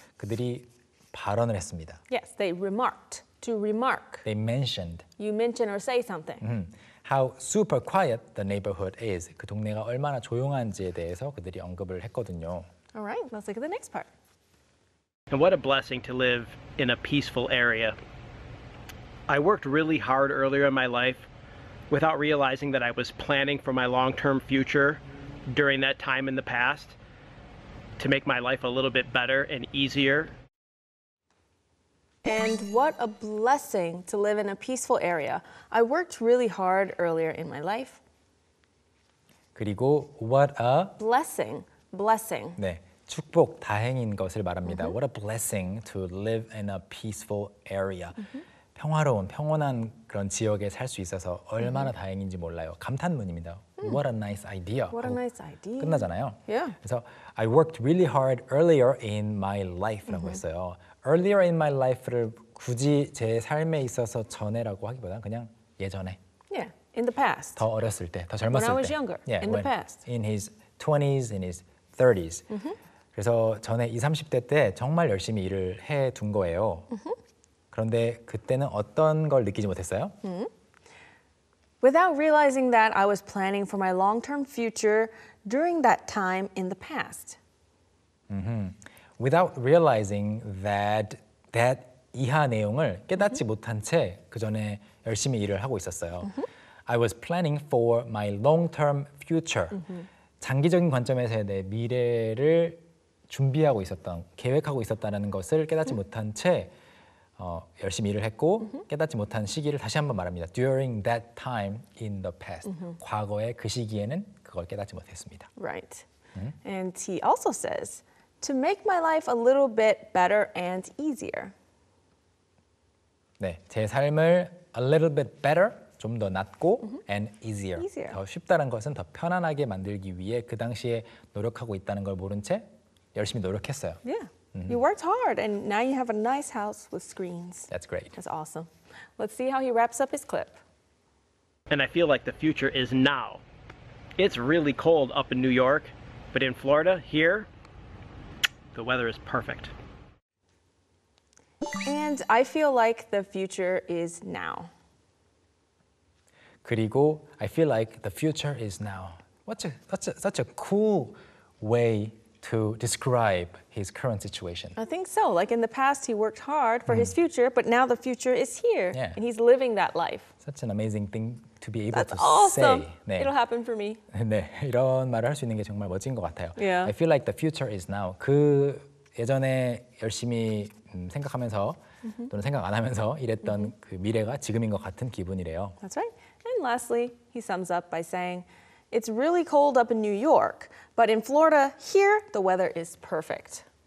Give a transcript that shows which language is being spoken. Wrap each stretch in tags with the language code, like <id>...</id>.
<ko>그들이 발언을 했습니다.</ko> <en>Yes, they remarked. To remark. They mentioned. You mention or say something. Mm-hmm. How super quiet the neighborhood is.</en> <ko>그 동네가 얼마나 조용한지에 대해서 그들이 언급을 했거든요.</ko> <en>All right, let's look at the next part. And what a blessing to live in a peaceful area. I worked really hard earlier in my life without realizing that I was planning for my long-term future during that time in the past to make my life a little bit better and easier. And what a blessing to live in a peaceful area. I worked really hard earlier in my life.</en> <ko>그리고</ko> <en>what a blessing, blessing.</en> <ko>네, 축복, 다행인 것을 말합니다. Mm-hmm.</ko> <en>What a blessing to live in a peaceful area. Mm-hmm.</en> <ko>평화로운, 평온한 그런 지역에 살 수 있어서 얼마나 mm-hmm. 다행인지 몰라요. 감탄문입니다. Mm.</ko> <en>What a nice idea. What a nice idea.</en> <ko>끝나잖아요.</ko> <en>Yeah.</en> <ko>그래서</ko> <en>I worked really hard earlier in my life</en> <ko>라고</ko> <en>mm-hmm.</en> <ko>했어요. Earlier in my life를 굳이 제 삶에 있어서 전에라고 하기보다는 그냥 예전에.</ko> <en>Yeah, in the past.</en> <ko>더 어렸을 때, 더 젊었을 때.</ko> <en>When I was younger, yeah, in the past. In his 20s, in his 30s. Mm-hmm.</en> <ko>그래서 전에 20, 30대 때 정말 열심히 일을 해둔 거예요. Mm-hmm. 그런데 그때는 어떤 걸 느끼지 못했어요? Mm-hmm.</ko> <en>Without realizing that I was planning for my long-term future during that time in the past. Mm-hmm. Without realizing that</en> <ko>이하 내용을 깨닫지</ko> <en>mm-hmm.</en> <ko>못한 채 그 전에 열심히 일을 하고 있었어요. Mm-hmm.</ko> <en>I was planning for my long-term future. Mm-hmm.</en> <ko>장기적인 관점에서의 내 미래를 준비하고 있었던, 계획하고 있었다는 것을 깨닫지 mm-hmm. 못한 채 열심히 일을 했고 mm-hmm. 깨닫지 못한 시기를 다시 한번 말합니다.</ko> <en>During that time in the past. Mm-hmm.</en> <ko>과거의 그 시기에는 그걸 깨닫지 못했습니다.</ko> <en>Right. Mm-hmm. And he also says, to make my life a little bit better and easier.</en> <ko>네, 제 삶을</ko> <en>a little bit better,</en> <ko>좀 더 낫고</ko> <en>and easier.</en> <ko>더 쉽다는 것은 더 편안하게 만들기 위해 그 당시에 노력하고 있다는 걸 모른 채 열심히 노력했어요.</ko> <en>You worked hard and now you have a nice house with screens. That's great. That's awesome. Let's see how he wraps up his clip. And I feel like the future is now. It's really cold up in New York, but in Florida, here, the weather is perfect. And I feel like the future is now.</en> <ko>그리고</ko> <en>I feel like the future is now. Such a cool way to describe his current situation. I think so. Like in the past, he worked hard for his future, but now the future is here. Yeah. And he's living that life. Such an amazing thing to be able That's to awesome. Say. That's</en> <ko>네.</ko> <en>awesome. It'll happen for me.</en> <ko>네, 이런 말을 할 수 있는 게 정말 멋진 것 같아요.</ko> <en>Yeah. I feel like the future is now.</en> <ko>그 예전에 열심히 생각하면서 또는 생각 안 하면서 일했던 그 미래가 지금인 것 같은 기분이래요.</ko> <en>That's right. And lastly, he sums up by saying, It's really cold up in New York, but in Florida, here, the weather is perfect.</en>